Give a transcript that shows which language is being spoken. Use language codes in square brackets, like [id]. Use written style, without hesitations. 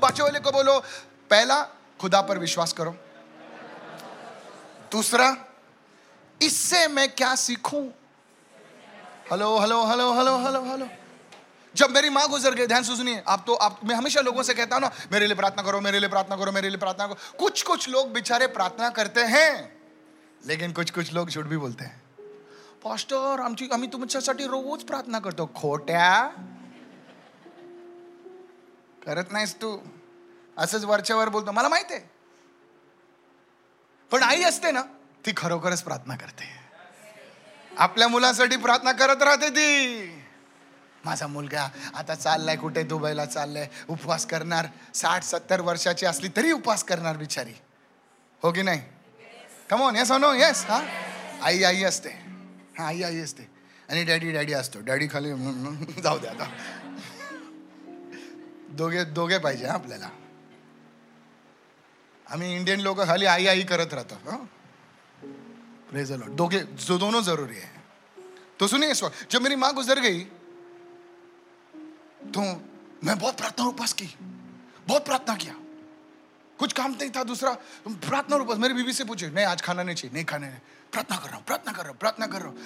[hi] बाचे वाले को बोलो, पहला खुदा पर विश्वास करो, दूसरा इससे मैं क्या सीखूं. हेलो. जब मेरी माँ गुजर गई, ध्यान से सुनिए, आप मैं हमेशा लोगों से कहता हूं ना, मेरे लिए प्रार्थना करो. कुछ कुछ लोग बेचारे प्रार्थना करते हैं, लेकिन कुछ कुछ लोग झूठ भी बोलते हैं. [mr] पास्टर आम्ही तुमच्यासाठी रोज प्रार्थना करतो. खोट्या करत नाहीस तू, असंच वरच्यावर बोलतो. मला माहित आहे, पण आई असते ना, ती खरोखरच प्रार्थना करते. आपल्या मुलासाठी प्रार्थना करत राहते ती. माझा मुलगा आता चाललाय कुठे, दुबईला चाललाय, उपवास करणार. 60-70 वर्षाची असली तरी उपवास करणार बिचारी, हो की नाही? [en] Come on, yes or no? Yes. [mr] हा, आई आई असते. हा, आई आई असते आणि डॅडी डॅडी असतो. डॅडी खाली जाऊ दे आता. दोघे पाहिजे आपल्याला. आम्ही इंडियन लोक खाली आई आई करत राहतो. [hi] दोनों जरूरी है. तो सुनिए इस वक्त, जब मेरी माँ गुजर गई तो मैं बहुत प्रार्थना उपवास की, बहुत प्रार्थना किया. कुछ काम नहीं था दूसरा, प्रार्थना उपवास. मेरी बीवी से पूछे, नहीं आज खाना नहीं चाहिए, नहीं खाने, प्रार्थना कर रहा हूँ.